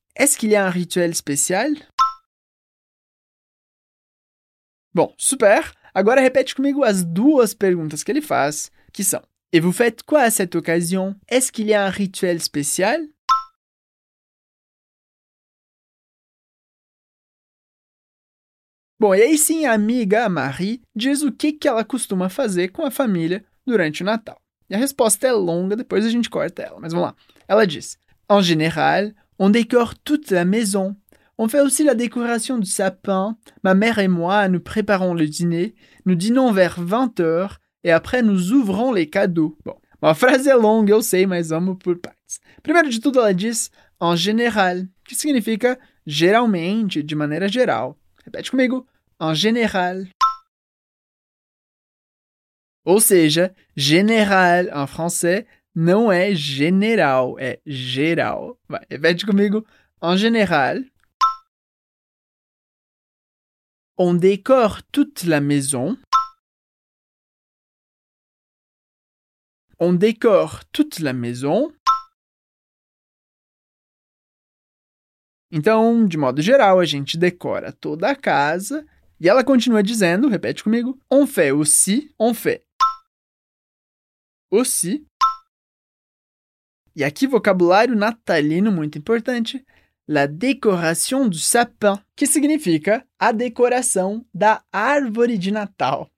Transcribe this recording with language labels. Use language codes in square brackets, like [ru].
[fr] Est-ce qu'il y a un rituel spécial? [pt] Bom, super. Agora repete comigo as duas perguntas que ele faz, que são: [fr] Et vous faites quoi à cette occasion? Est-ce qu'il y a un rituel spécial? [pt] Bom, e aí sim a amiga Marie diz o que, que ela costuma fazer com a família durante o Natal. E a resposta é longa, depois a gente corta ela, mas vamos lá. Ela diz: [fr] En général, on décore toute la maison. On fait aussi la décoration du sapin. Ma mère et moi, nous préparons le dîner. Nous dînons vers 20h et après, nous ouvrons les cadeaux. [pt] Bom, uma frase é longa, eu sei, mas amo por partes. Primeiro de tudo, ela diz, [fr] en général, [pt] que significa geralmente, de maneira geral. Repete comigo, [fr] en général. [pt] Ou seja, [fr] général en français [pt] não é general, é geral. Vai, repete comigo, [fr] en général. On décore toute la maison. On décore toute la maison. [pt] Então, de modo geral, a gente decora toda a casa. E ela continua dizendo, repete comigo. [fr] On fait aussi. On fait aussi. [pt] E aqui, vocabulário natalino muito importante. [fr] La décoration du sapin, [pt] que significa a decoração da árvore de Natal.